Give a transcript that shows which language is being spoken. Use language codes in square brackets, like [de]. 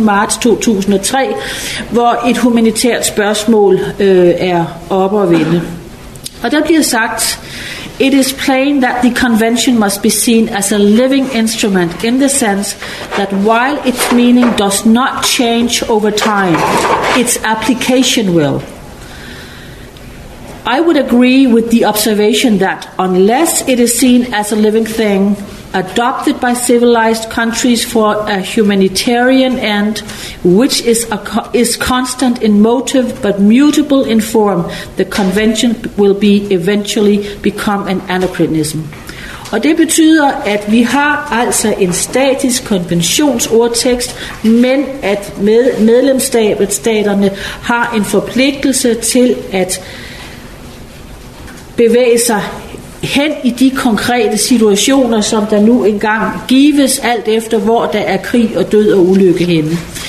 [da] marts 2003, hvor et humanitært spørgsmål er op at vende. Og der bliver sagt, [en] "It is plain that the convention must be seen as a living instrument in the sense that while its meaning does not change over time, its application will. I would agree with the observation that unless it is seen as a living thing adopted by civilized countries for a humanitarian end, which is constant in motive but mutable in form, the convention will be eventually become an anachronism." [da] Og det betyder, at vi har altså en statisk konventionsordtekst, men at medlemsstaterne har en forpligtelse til at bevæge sig hen i de konkrete situationer, som der nu engang gives, alt efter hvor der er krig og død og ulykke henne.